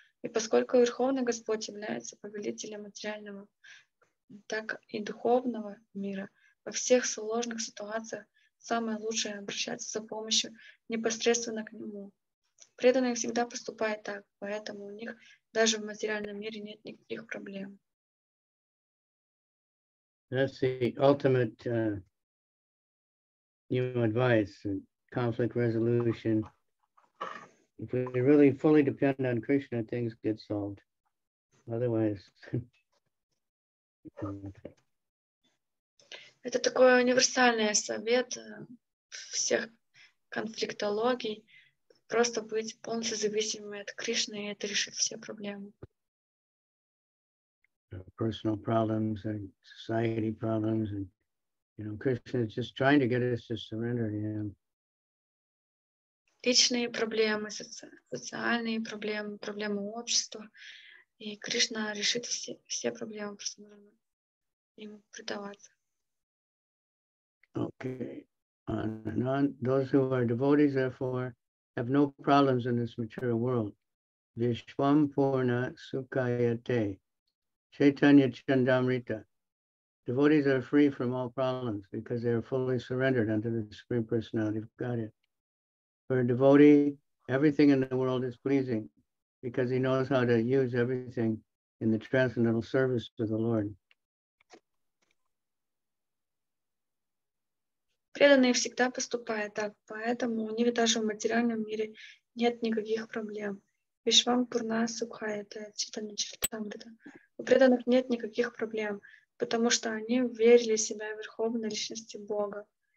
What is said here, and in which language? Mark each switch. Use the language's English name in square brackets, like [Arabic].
[Russian] И поскольку Верховный Господь является повелителем материального, так и духовного мира, во всех сложных ситуациях самое лучшее — обращаться за помощью непосредственно к Нему. Преданные всегда поступают так, поэтому у них даже в материальном мире нет никаких проблем. [English] That's the ultimate new advice, conflict resolution. If we really fully depend on Krishna, things get solved. Otherwise. [Russian] Это такой универсальный совет всех конфликтологий. Просто быть полностью зависимым от Кришны, и это решит все проблемы. [English] Personal problems and society problems, and you know, Krishna is just trying to get us to surrender to Him. [Russian] Личные проблемы, социальные проблемы, проблемы общества, и Кришна решит все проблемы, просто нужно ему предаваться. [English] Okay, those who are devotees, therefore, have no problems in this material world. [Sanskrit] Vishvam purna sukhayate. Chaitanya Chandamrita. [English] Devotees are free from all problems because they are fully surrendered unto the Supreme Personality of Godhead. For a devotee, everything in the world is pleasing because he knows how to use everything in the transcendental service to the Lord. [Russian] Преданные всегда поступают так, поэтому у них даже в материальном мире нет никаких проблем. [Sanskrit] Вишвам пурна сукхаята [Russian] Чаитанья Чандамрита. У преданных нет никаких проблем, потому что они верили в себя в Верховной Личности Бога.